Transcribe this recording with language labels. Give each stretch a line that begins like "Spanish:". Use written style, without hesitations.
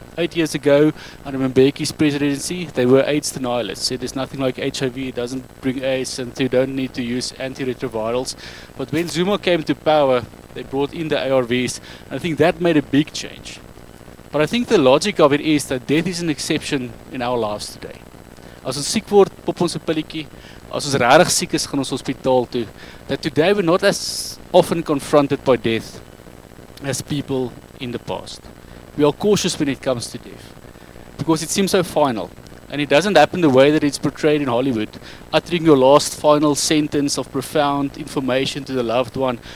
English: 8 years ago, under Mbeki's presidency, they were AIDS denialists. Said there's nothing like HIV, it doesn't bring AIDS, and you don't need to use antiretrovirals. But when Zuma came to power, they brought in the ARVs, and I think that made a big change. But I think the logic of it is that death is an exception in our lives today.
Afrikaans: As ons siek word, pop ons 'n pilletjie. As ons regtig siek is, gaan ons hospitaal toe.
English: That today we're not as often confronted by death as people in the past. We are cautious when it comes to death, because it seems so final. and it doesn't happen the way that it's portrayed in Hollywood, uttering your last final sentence of profound information to the loved one.